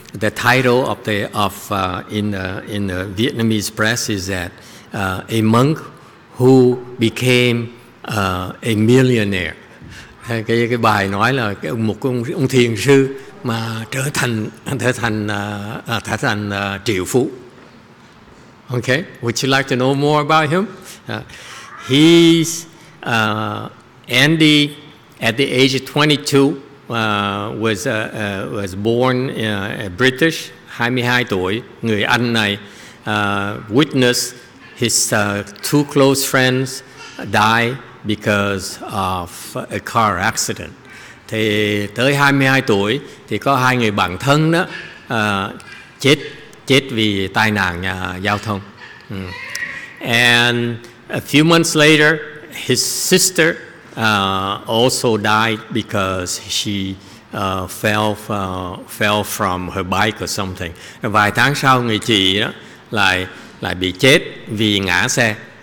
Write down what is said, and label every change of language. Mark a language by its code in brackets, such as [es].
[en] The title of the Vietnamese press is that a monk who became a millionaire. [vi] cái bài nói là cái một ông thiền sư mà trở thành triệu phú. [en] Okay, would you like to know more about him? He's Andy at the age of 22 was born a British, [vi] 22 tuổi, người Anh này [en] witnessed his two close friends die because of a car accident. [vi] Thì tới 22 tuổi thì có hai người bạn thân đó chết vì tai nạn giao thông. [en] And a few months later, his sister also died because she fell from her bike or something. [vi] Vài tháng sau, người chị đó lại bị chết vì ngã xe.